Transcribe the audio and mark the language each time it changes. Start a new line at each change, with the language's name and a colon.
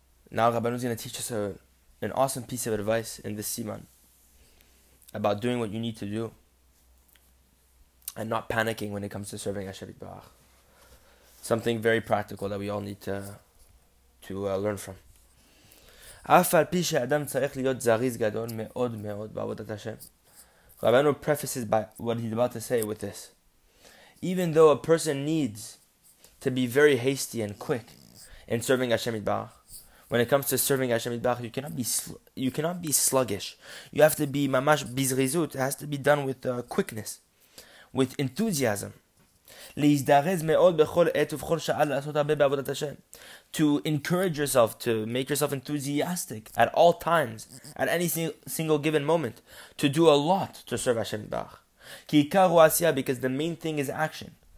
English: Now Rabbanu is going to teach us an awesome piece of advice in this siman about doing what you need to do and not panicking when it comes to serving Hashem Yitbarach. Something very practical that we all need to learn from.
Hebrew: אף על פי שאדם צריך להיות זריז גדול מאוד מאוד בעבודת השם.
English: Rabbanu prefaces by what he's about to say with this. Even though a person needs to be very hasty and quick in serving Hashem Yitbarach, when it comes to serving Hashem Yitbarach, you cannot be sluggish. You have to be mamash bizrizut. It has to be done with quickness, with enthusiasm.
Hebrew: להזדרז מאוד בכל עת ובכל שעה לעשות הרבה בעבודת השם.
English: To encourage yourself, to make yourself enthusiastic at all times, at any single given moment, to do a lot to serve Hashem Yitbarach.
Hebrew: כי עיקר הוא עשייה,
English: because the main thing is action.